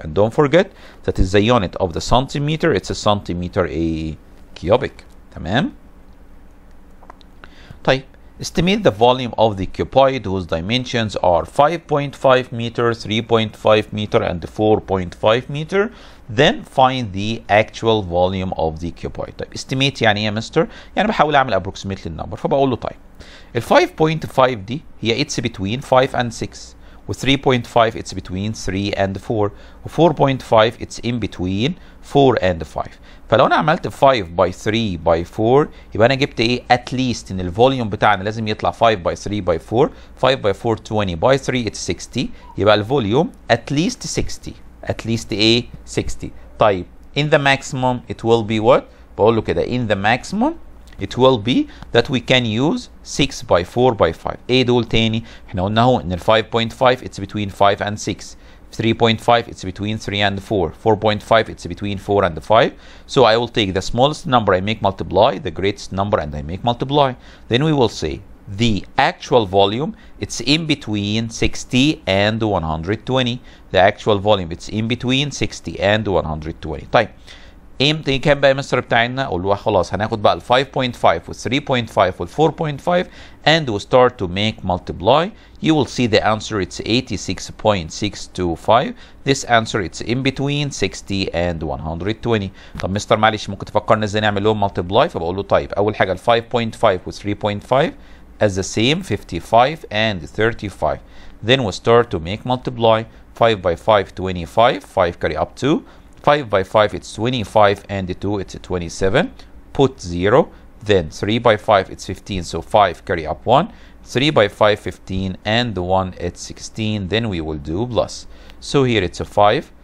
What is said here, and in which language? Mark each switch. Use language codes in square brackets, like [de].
[en] And don't forget, that is the unit of the centimeter, it's a centimeter a cubic. [ar] تمام. طيب. [en] Estimate the volume of the cuboid whose dimensions are 5.5 meter, 3.5 meter, and 4.5 meter. Then find the actual volume of the cuboid. [ar] طيب, estimate يعني يا مستر؟ يعني بحاول أعمل [en] approximately number. [ar] فبقول له طيب. [en] ال 5.5 [ar] دي هي [en] it's between 5 and 6. و 3.5 it's between 3 and 4. و 4.5 it's in between 4 and 5. [ar] فلو انا عملت 5 by 3 by 4 يبقى انا جبت ايه؟ [en] at least [ar] ان الفوليوم بتاعنا لازم يطلع 5 by 3 by 4. [en] 5 by 4 20 by 3 it's 60. [ar] يبقى الفوليوم [en] at least 60. At least ايه؟ 60. طيب, in the maximum it will be what؟ [ar] بقول له كده, [en] in the maximum it will be that we can use 6 by 4 by 5. [ar] ايه دول تاني؟ احنا قلنا هو ان ال 5.5 [en] it's between 5 and 6. 3.5 it's between 3 and 4. 4.5 it's between 4 and 5. So I will take the smallest number I make multiply, the greatest number and I make multiply. Then we will say the actual volume, it's in between 60 and 120. The actual volume, it's in between 60 and 120. [ar] طيب. امتى كان بقى مستر بتاعنا؟ اقول له خلاص هناخد بقى ال 5.5 وال 3.5 وال 4.5 [en] and we'll start to make multiply. You will see the answer it's 86.625. This answer it's in between 60 and 120. [ar] طب مستر معلش ممكن تفكرنا ازاي نعمل لهم multiply؟ فبقول له طيب اول حاجه ال 5.5 وال 3.5 [en] as the same 55 and 35. Then we'll start to make multiply. 5 by 5 25, 5 carry up to 5 by 5, it's 25, and 2, it's 27, put 0, then 3 by 5, it's 15, so 5, carry up 1, 3 by 5, 15, and 1, it's 16, then we will do plus. So here it's a 5,